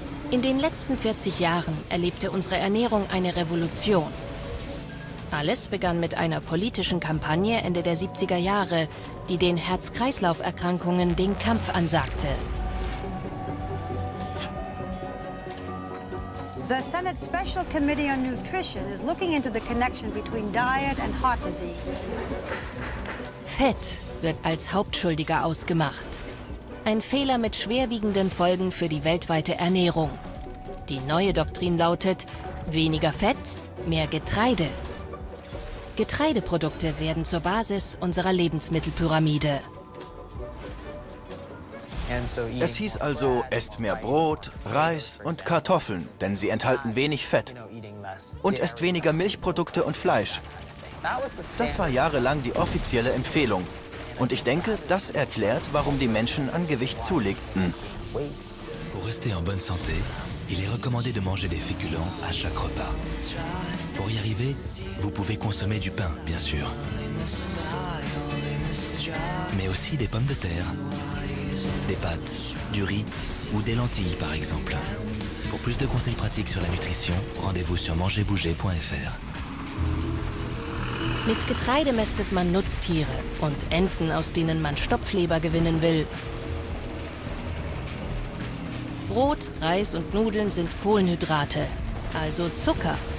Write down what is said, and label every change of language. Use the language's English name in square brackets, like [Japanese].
[German] In den letzten 40 Jahren erlebte unsere Ernährung eine Revolution. Alles begann mit einer politischen Kampagne Ende der 70er Jahre, die den Herz-Kreislauf-Erkrankungen den Kampf ansagte. [English] The Senate Special Committee on Nutrition is looking into the connection between diet and heart disease. [German] Fett wird als Hauptschuldiger ausgemacht. Ein Fehler mit schwerwiegenden Folgen für die weltweite Ernährung. Die neue Doktrin lautet: weniger Fett, mehr Getreide. Getreideprodukte werden zur Basis unserer Lebensmittelpyramide. Es hieß also, esst mehr Brot, Reis und Kartoffeln, denn sie enthalten wenig Fett. Und esst weniger Milchprodukte und Fleisch. Das war jahrelang die offizielle Empfehlung. Und ich denke, das erklärt, warum die Menschen an Gewicht zulegten. [French] Pour rester en bonne santé, il est recommandé de manger des féculents à chaque repas. Pour y arriver, vous pouvez consommer du pain, bien sûr. Mais aussi des pommes de terre, des pâtes, du riz ou des lentilles, par exemple. Pour plus de conseils pratiques sur la nutrition, rendez-vous sur mangerbouger.fr. [German] Mit Getreide mästet man Nutztiere und Enten, aus denen man Stopfleber gewinnen will. Brot, Reis und Nudeln sind Kohlenhydrate, also Zucker.